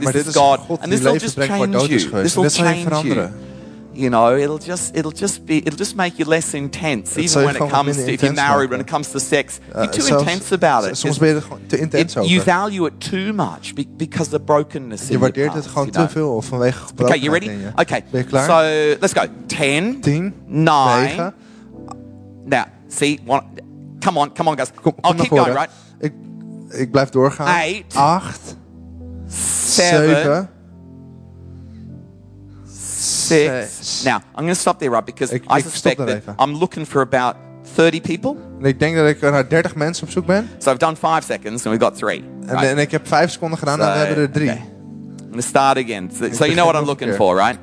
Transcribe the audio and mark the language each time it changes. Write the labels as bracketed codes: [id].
[en] This is God, and this will just change you. This will change you. You know, it'll just make you less intense, even when it comes to, if you're married, when it comes to sex. You're too intense about it. You value it too much because of brokenness in your past. [nl] Je waardeert het gewoon te veel of vanwege gebrokenheid in je. [en] Okay, you ready? Okay. [nl] Ben je klaar? [en] So, let's go. 10. 10. 9. Now, see, come on, guys. I'll keep going, right? [nl] Ik blijf doorgaan. 8. 8. 7. [en] 6. Now, I'm going to stop there, right? Because I suspect that I'm looking for about 30 people. [nl] En ik denk dat ik naar 30 mensen op zoek ben. [en] So I've done 5 seconds and we've got 3. [nl] En, right. En ik heb 5 seconden gedaan en we hebben er 3. [en] Okay. I'm gonna start again. So you know what I'm looking for, right?